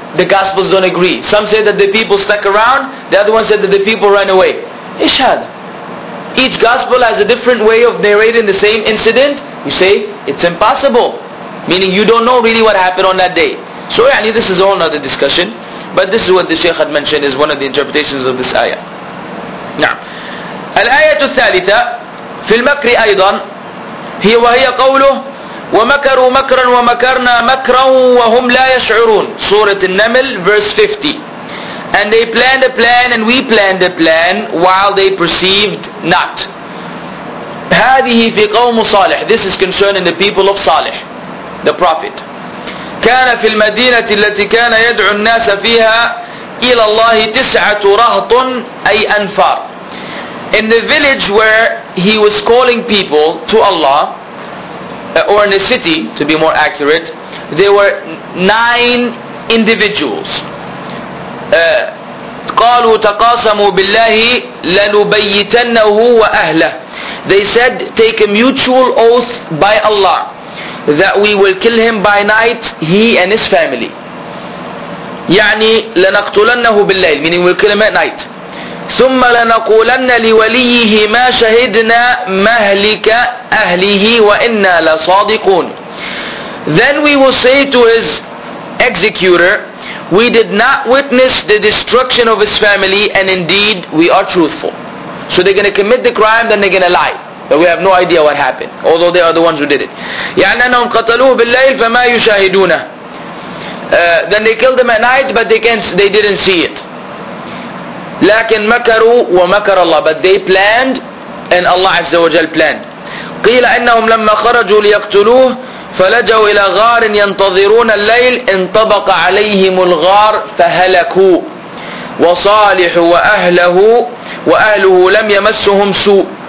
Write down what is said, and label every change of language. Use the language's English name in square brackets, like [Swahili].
[English] The Gospels don't agree. Some say that the people stuck around. The other one said that the people ran away. Ishad. Each Gospel has a different way of narrating the same incident. You say, it's impossible. Meaning you don't know really what happened on that day. So yani, this is all another discussion. But this is what the Shaykh had mentioned, is one of the interpretations of this ayah. [Arabic] Now, الآيات الثالثة في المكر أيضا هي وهي قوله ومكروا مكرا ومكرنا مكرا وهم لا يشعرون. Surah An-Naml, verse 50. [English] And they planned a plan and we planned a plan while they perceived not. [Arabic] هذه في قوم صالح. [English] This is concerning the people of Salih, the prophet. [Arabic] كان في المدينة التي كان يدعو الناس فيها إلى الله تسعة رهط أي أنفار. [English] In the village where he was calling people to Allah, or in the city to be more accurate, there were 9 individuals. [Arabic] قالوا تقاسموا بالله لنبيتنه وأهله. [English] They said, take a mutual oath by Allah that we will kill him by night, he and his family. [Arabic] يعني لنقتلنه بالليل, [English] meaning we'll kill him at night. [Arabic] ثم لنقولن لوليه ما شهدنا مهلك أهله وإنا لصادقون. [English] Then we will say to his executor, we did not witness the destruction of his family and indeed we are truthful. So they're going to commit the crime, then they're going to lie. But we have no idea what happened, although they are the ones who did it. [Arabic] يعنانهم قتلوه بالليل فما يشاهدونه. [English] Then they killed him at night, but they didn't see it. [Arabic] لكن مكروا ومكر الله. [English] But they planned, and Allah عز وجل planned. [Arabic] قيل أنهم لما خرجوا ليقتلوه فلجوا إلى غار ينتظرون الليل انطبق عليهم الغار فهلكوا. وصالح وأهله وأهله لم يمسهم سوء.